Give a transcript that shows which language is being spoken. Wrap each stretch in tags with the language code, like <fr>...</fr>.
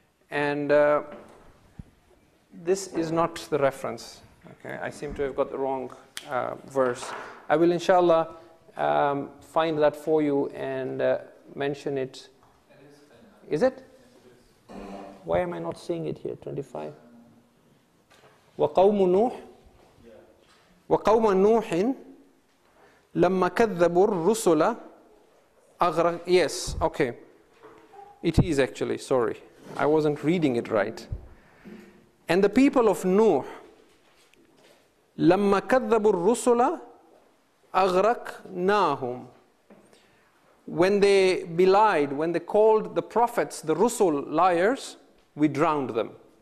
<en>And this is not the reference. Okay? I seem to have got the wrong verse. I will, inshallah, find that for you and mention it. Is it? Why am I not seeing it here, 25?</en> <ar>وَقَوْمُ نُوحٍ وَقَوْمَ نُوحٍ لَمَّا كَذَّبُوا الرُّسُلَ أَغْرَقْ</ar> <en>Yes, okay. It is actually, sorry. I wasn't reading it right. And the people of Nuh,</en> <ar>لَمَّا كَذَّبُوا الرُّسُلَ أَغْرَقْنَاهُمْ.</ar> <en>When they belied, when they called the prophets, the Rusul, liars, we drowned them.</en>